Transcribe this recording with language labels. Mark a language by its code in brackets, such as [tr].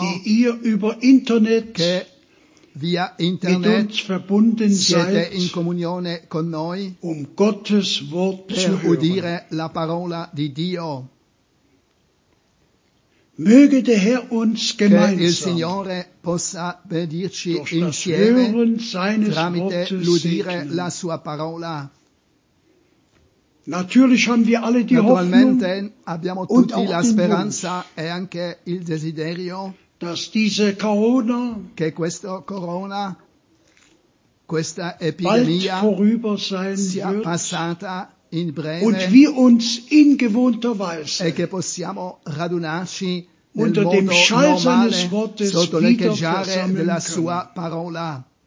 [de] die ihr über Internet, [it] che via Internet [de] mit uns verbunden [it] siete [de] seid, [it] in comunione con noi, [de] um Gottes Wort [it] per [de] zu hören, [it] udire la parola di Dio. [de] Möge der Herr uns gemeinsam [it] che il Signore possa benedirci [de] durch [it] insieme [de] das Hören seines [it] tramite [de] Wortes [it] l'udire [de] segnen. [it] La sua parola. [de] Natürlich haben wir alle die [it] Naturalmente [de] Hoffnung [it] abbiamo tutti la speranza e anche il desiderio [de] dass diese Corona [it] che questo Corona questa epidemia [de] bald vorüber sein [it] sia [de] wird. [it] Passata in breve, [de] und wir uns in gewohnter Weise [it] e che possiamo radunarci [de] unter dem Schall seines Wortes [it] sotto l'echeggiare della sua parola.